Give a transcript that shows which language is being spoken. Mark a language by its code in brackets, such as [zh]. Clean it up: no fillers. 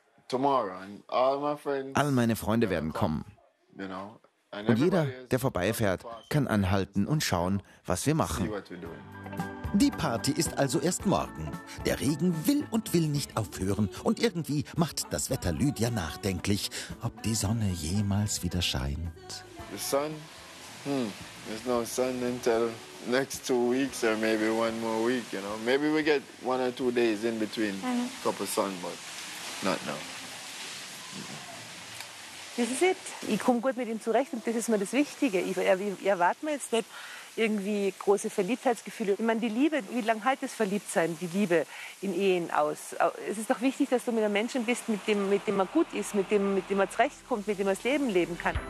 [de] All meine Freunde werden kommen. Und jeder, der vorbeifährt, kann anhalten und schauen, was wir machen. Die Party ist also erst morgen. Der Regen will und will nicht aufhören. Und irgendwie macht das Wetter Lydia nachdenklich, ob die Sonne jemals wieder scheint. [en] The sun? There's no sun until next 2 weeks or maybe one more week, you know. Maybe we get one or two days in between a couple of sun, but not now. This is it. [de] Ich komme gut mit ihm zurecht und das ist mir das Wichtige. Ich erwarte mir jetzt nicht irgendwie große Verliebtheitsgefühle. Ich meine, die Liebe, wie lange hält das Verliebtsein, die Liebe in Ehen aus? Es ist doch wichtig, dass du mit einem Menschen bist, mit dem man gut ist, mit dem man zurechtkommt, mit dem man das Leben leben kann.